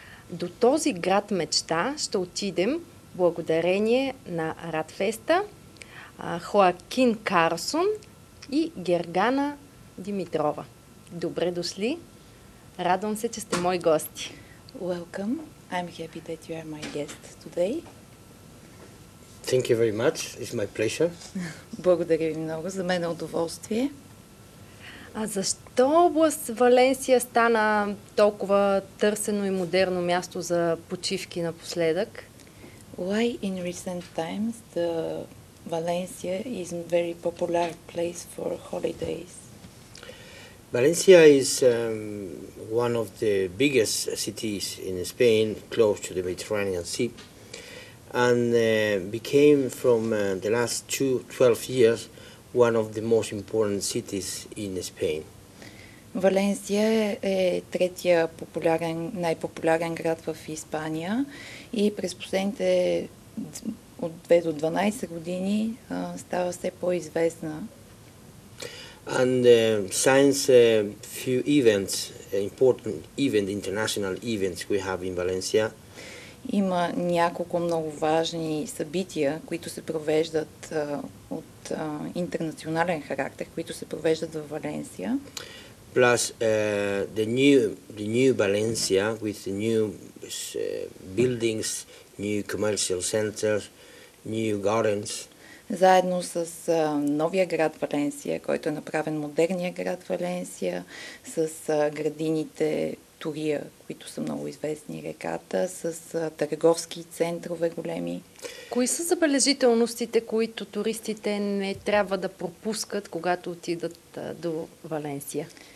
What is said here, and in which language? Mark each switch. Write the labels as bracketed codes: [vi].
[bg] До този град мечта ще отидем благодарение на Радфеста, Хоакин Карсон и Гергана Димитрова. Добре дошли! Радвам се, че сте мои гости. [en] Welcome. I'm happy that you are my guest today. Thank you very much. It's my pleasure. [bg] Благодаря ви много. За мен е удоволствие. А защо област Валенсия стана толкова търсено и модерно място за почивки напоследък? [en] Why in recent times the Valencia is a very popular place for holidays? Valencia is one of the biggest cities in Spain, close to the Mediterranean Sea, and became from the last 12 years one of the most important cities in Spain. [bg] Валенсия е третия популярен, най-популярен град в Испания и през последните от 2 до 12 години става все по-известна. [en] And since few events, important event, international events we have in Valencia. [bg] Има няколко много важни събития, които се провеждат от интернационален характер, които се провеждат в Валенсия. [en] Plus the new Valencia with the new buildings, new commercial centers, new gardens. [bg] Заедно с новия град Валенсия, който е направен модерния град Валенсия, с градините Турия, които са много известни, реката, с търговски центрове големи. Кои са забележителностите, които туристите не трябва да пропускат, когато отидат до Валенсия?